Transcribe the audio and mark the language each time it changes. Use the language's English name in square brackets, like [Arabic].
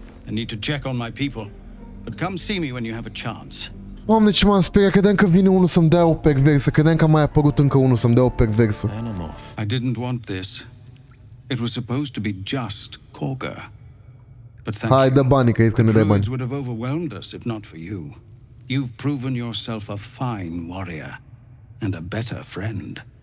[English] I need to check on my people, but come see me when you have a chance. [Romanian] Doamne, ce m-am speriat, credeam că vine unul să-mi dea o perversă, credeam că a mai apărut încă unul să-mi dea o perversă. [English] I didn't want this. It was supposed to be just Corga. But thank you. [Romanian] Hai, dă banii, că ești că ne dai bani. [English] Would have overwhelmed us if not for you. You've proven yourself a fine warrior and a better friend.